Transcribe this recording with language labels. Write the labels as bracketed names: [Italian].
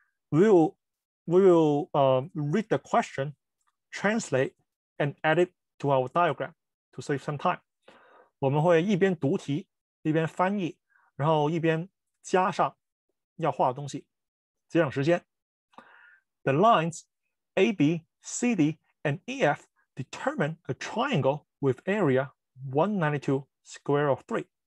[English] We will read the question, translate and add it to our diagram to save some time. [Chinese] 我们会一边读题，一边翻译，然后一边加上要画的东西，节省时间。 [English] The lines AB, CD, and EF determine a triangle with area 192 square of 3.